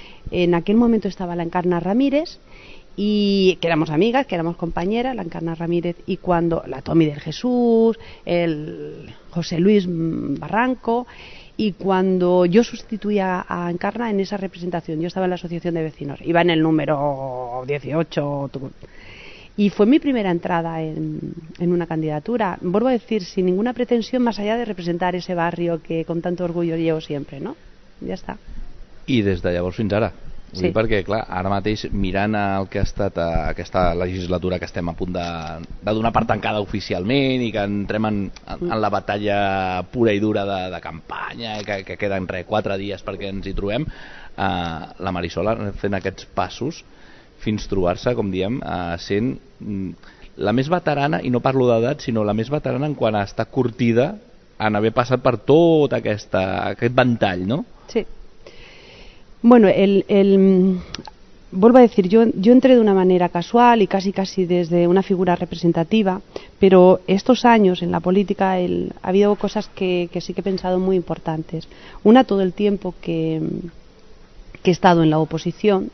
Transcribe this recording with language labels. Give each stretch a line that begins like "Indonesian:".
Spanish: En aquel momento estaba la Encarna Ramírez, y que éramos amigas, que éramos compañeras, la Encarna Ramírez, y cuando la Tommy del Jesús, el José Luis Barranco, y cuando yo sustituía a Encarna en esa representación, yo estaba en la Asociación de Vecinos, iba en el número 18, y fue mi primera entrada en una candidatura, vuelvo a decir, sin ninguna pretensión más allá de representar ese barrio que con tanto orgullo llevo siempre, ¿no? Ya está. Y desde
Catalan: llavors fins ara. Sí. Perquè, clar, ara mateix, mirant el que ha estat aquesta legislatura que estem a punt de donar per tancada oficialment i que entrem en la batalla pura i dura de campanya, que queden 4 dies perquè ens hi trobem, la Marisol fent aquests passos fins trobar-se, com diem, sent la més veterana, i no parlo d'edat, sinó la més veterana en quant està curtida en haver passat per tot aquest ventall, no?
Spanish: Sí. Bueno, el Vuelvo a decir, yo entré de una manera casual y casi desde una figura representativa, pero estos años en la política ha habido cosas que sí que he pensado muy importantes. Una, todo el tiempo que he estado en la oposición.